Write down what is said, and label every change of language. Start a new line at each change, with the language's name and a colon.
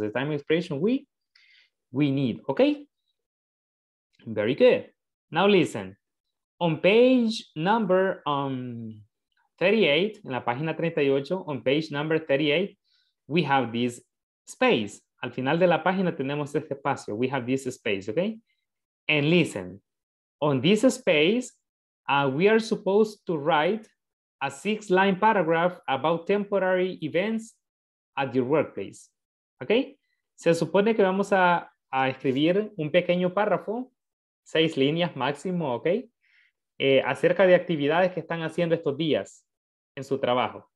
English: The time expression we need, okay? Very good. Now listen. On page number 38, en la página 38, on page number 38, we have this space.
Spanish: Al final de la página tenemos este espacio.
English: We have this space, okay? And listen. On this space, we are supposed to write a six-line paragraph about temporary events at your workplace. Okay?
Spanish: Se supone que vamos a escribir un pequeño párrafo, seis líneas máximo, okay? Acerca de actividades que están haciendo estos días en su trabajo.